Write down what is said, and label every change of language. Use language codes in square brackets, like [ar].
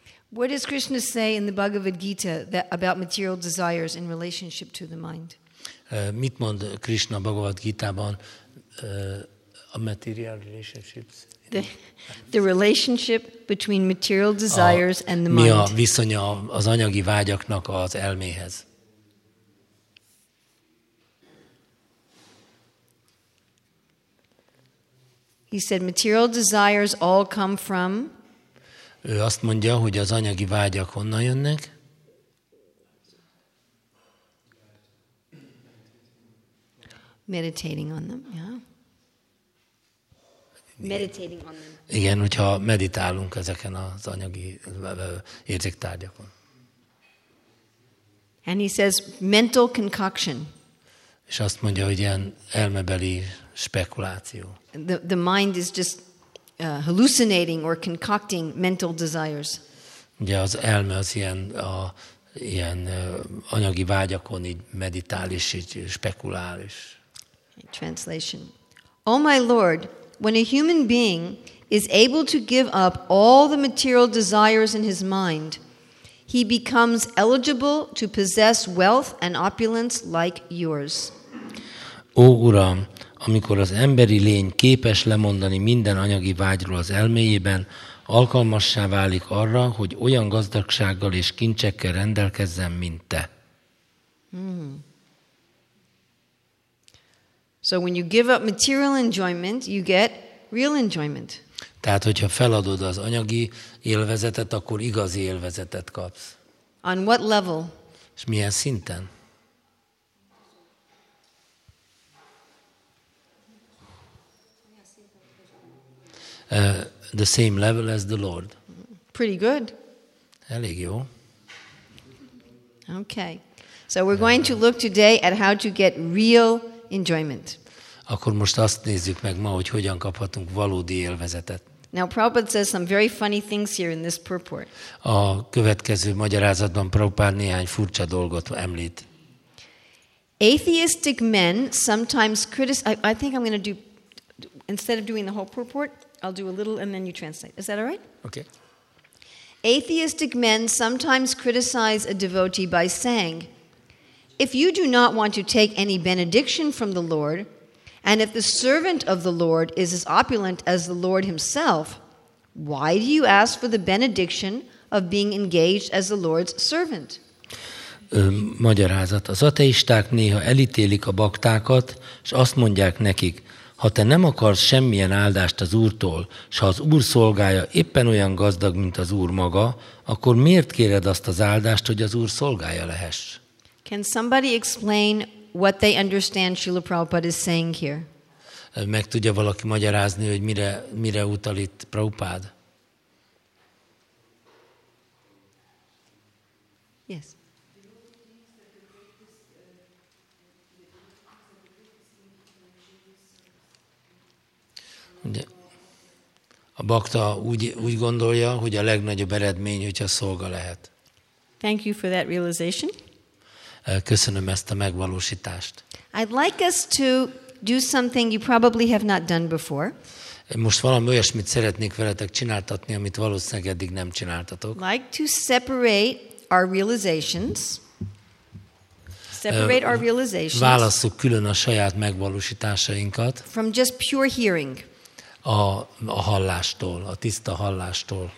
[en] What does Krishna say in the Bhagavad Gita that about material desires in relationship to the mind? [hu] Mit mond Krishna Bhagavad Gita-ban a [en] material relationships? The relationship between material desires and the mind. [hu] Mi a viszonya az anyagi vágyaknak az elméhez? [en] He said material desires all come from. [hu] Ő azt mondja, hogy az anyagi vágyak honnan jönnek? [en] Meditating on them, yeah. Meditating on them. [hu] Igen, hogyha meditálunk ezeken az anyagi érzéktárgyakon. [en] And he says mental concoction. [hu] És azt mondja, hogy ilyen elmebeli spekuláció. [en] The mind is just hallucinating or concocting mental desires. [hu] Ugye az elme az ilyen anyagi vágyakon így meditál és így spekulál is. [en] Translation. Oh my Lord, when a human being is able to give up all the material desires in his mind, he becomes eligible to possess wealth and opulence like yours. [hu] Ó Uram, amikor az emberi lény képes lemondani minden anyagi vágyról az elméjében, alkalmassá válik arra, hogy olyan gazdagsággal és kincsekkel rendelkezzen, mint te. Mm-hmm. [en] So when you give up material enjoyment, you get real enjoyment. [hu] Tehát, hogyha feladod az anyagi élvezetet, akkor igazi élvezetet kapsz. [en] On what level? [hu] És milyen szinten? [en] The same level as the Lord. Pretty good. [hu] Elég jó. [en] Okay. So we're going to look today at how to get real enjoyment. [hu] Akkor most azt nézzük meg ma, hogy hogyan kaphatunk valódi élvezetet. [en] Now Prabhupada says some very funny things here in this purport. [hu] A következő magyarázatban Prabhupada néhány furcsa dolgot említ. [en] Atheistic men sometimes criticize. I think I'm going to do, instead of doing the whole purport, I'll do a little and then you translate. Is that all right? Okay. Atheistic men sometimes criticize a devotee by saying, if you do not want to take any benediction from the Lord, and if the servant of the Lord is as opulent as the Lord himself, why do you ask for the benediction of being engaged as the Lord's servant? [hu] Magyarázat. Az ateisták néha elítélik a baktákat, és azt mondják nekik, ha te nem akarsz semmilyen áldást az Úrtól, s ha az Úr szolgája éppen olyan gazdag, mint az Úr maga, akkor miért kéred azt az áldást, hogy az Úr szolgája lehess? [en] Can somebody explain what they understand Srila Prabhupada is saying here? [hu] Meg tudja valaki magyarázni, hogy mire utal itt Prabhupada? [en] Yes. [hu] De a bakta úgy gondolja, hogy a legnagyobb eredmény, hogyha szolga lehet. [en] Thank you for that realization. [hu] Köszönöm ezt a megvalósítást. [en] I'd like us to do something you probably have not done before. [hu] Most valami olyasmit szeretnék veletek csináltatni, amit valószínűleg eddig nem csináltatok. [en] Like to separate our realizations. Separate our realizations. [hu] Válasszuk külön a saját megvalósításainkat. [en] From just pure hearing. [hu] A hallástól, a tiszta hallástól.